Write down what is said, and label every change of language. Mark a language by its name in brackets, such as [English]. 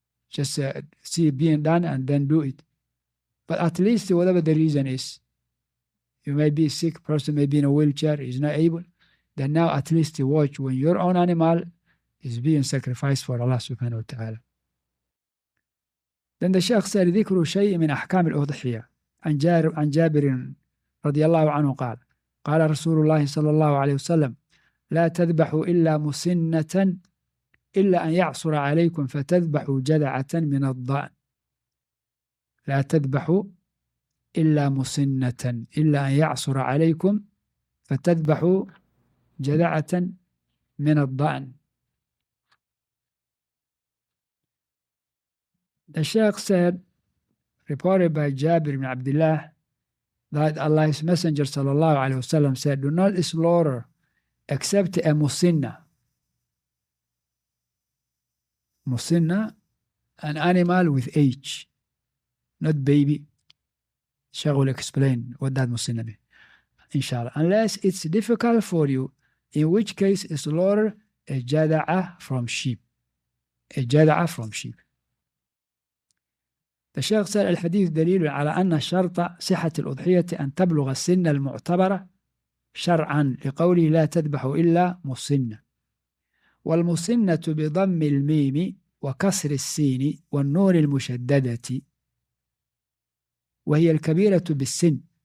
[English] Just see it being done and then do it. But at least whatever the reason is, you may be a sick person, maybe in a wheelchair, is not able. Then now at least watch when your own animal is being sacrificed for Allah subhanahu wa ta'ala. Then the Sheikh said, [Arabic] ذِكْرُ شَيْءٍ مِنْ أَحْكَامِ الْأُضْحِيَةِ عَنْ جَابِرٍ رَضِيَ اللَّهُ عَنْهُ قَالَ قال رسول الله صلى الله عليه وسلم لا تذبحوا إلا مسنة إلا أن يعصر عليكم فتذبحوا جذعة من الضأن لا تذبحوا إلا مسنة إلا أن يعصر عليكم فتذبحوا جذعة من الضأن. [English] The Sheikh said, reported by Jabir ibn Abdullah, that Allah's Messenger sallallahu alayhi wa sallam said, do not slaughter except a musinna. Musinna, an animal with age, not baby. Sheikh will explain what that musinna means, inshallah. Unless it's difficult for you, in which case slaughter a jada'a from sheep. A jada'a from sheep. [Arabic] الشيخ سأل الحديث دليل على أن شرط صحة الأضحية أن تبلغ السن المعتبرة شرعا لقوله لا تذبح إلا مسنة. والمسنة بضم الميم وكسر السين والنون المشددة وهي الكبيرة بالسن.